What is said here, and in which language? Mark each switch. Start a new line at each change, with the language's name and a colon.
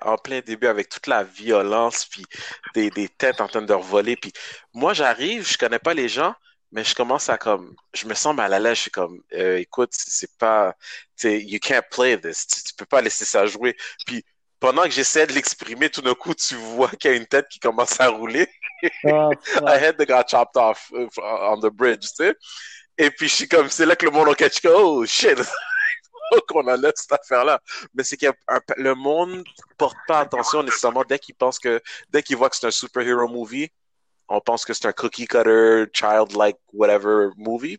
French: En plein début, avec toute la violence, puis des têtes en train de revoler. Puis moi, j'arrive, je connais pas les gens, mais je commence à, comme... Je me sens mal à l'aise. Je suis comme, écoute, c'est pas... T'sais,
English: you can't play this.
French: Tu peux pas laisser ça jouer. Puis... Pendant que j'essaie de l'exprimer, tout d'un coup, tu vois qu'il y a une tête qui commence à rouler. Oh, ouais.
English: I had the guy chopped off on the bridge,
French: tu sais. Et puis, je suis comme, c'est là que le monde en catch,
English: oh shit,
French: qu'on a là cette affaire-là. Mais c'est que le monde ne porte pas attention nécessairement dès qu'il voit que c'est un super-héros movie. On pense que c'est un
English: cookie cutter, child-like, whatever movie.